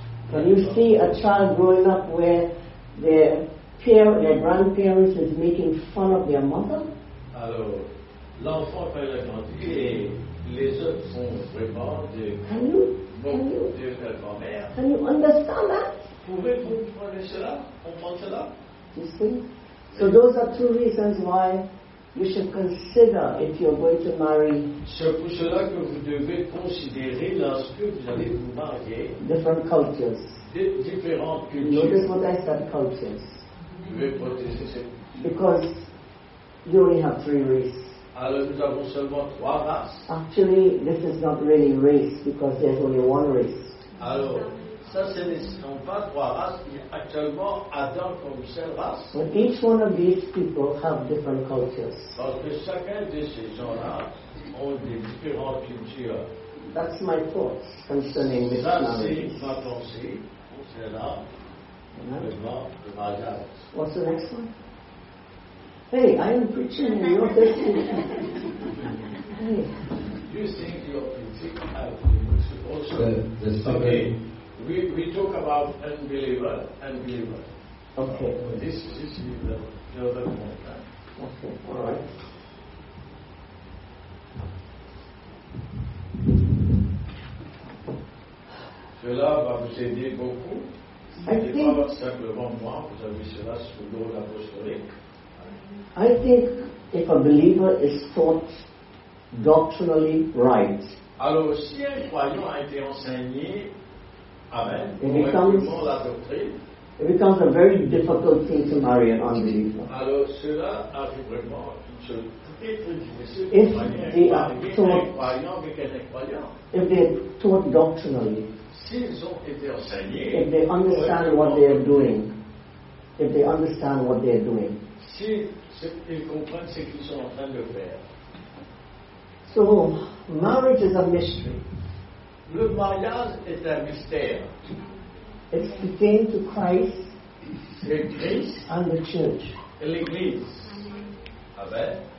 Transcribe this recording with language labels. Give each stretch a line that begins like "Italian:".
English: Can you see a child growing up where their parents, their grandparents is making fun of their mother?
French: Alors, l'enfant fait la grandir et les autres font vraiment de grand-mère.
English: Can you understand that?
French: Pouvez-vous comprendre cela? Comprendre cela?
English: You see? So those are two reasons why you should consider if you're going to marry.
French: C'est pour cela que vous devez considérer lorsque vous allez vous marier.
English: Different cultures.
French: Différentes cultures.
English: Notice what I said, cultures.
French: Vous devez protéger ces.
English: Because you only have three races.
French: Alors nous avons seulement trois races.
English: Actually, this is not really race because there's only one race.
French: Alors, ça ce ne sont pas trois races, actuellement Adam comme seule race.
English: But each one of these people have different cultures.
French: Parce que chacun de ces gens-là ont des différentes cultures.
English: That's my thoughts concerning this.
French: Ça c'est ma pensée concernant le mariage.
English: What's the next one? Hey, I am preaching in your destiny. Hey. You think your preaching has also the same. We talk about unbeliever. Okay. This is the other point. Okay. All right.
French: Cela va vous aider beaucoup. Ce n'est pas simplement moi, vous avez cela sous l'ordre apostolique.
English: I think if a believer is taught doctrinally right,
French: alors si un croyant a été enseigné, amen,
English: it becomes a very difficult thing to marry an unbeliever.
French: Alors cela a vraiment une chose très très difficile pour un croyant avec un incroyant.
English: If they are taught doctrinally,
French: s'ils ont été enseignés,
English: if they understand what they are doing, if they understand what they are doing,
French: si ils comprennent ce qu'ils sont en train de faire.
English: So, marriage is a mystery.
French: Le mariage est un mystère.
English: It's pertaining to Christ, Christ and the church.
French: L'église. Amen.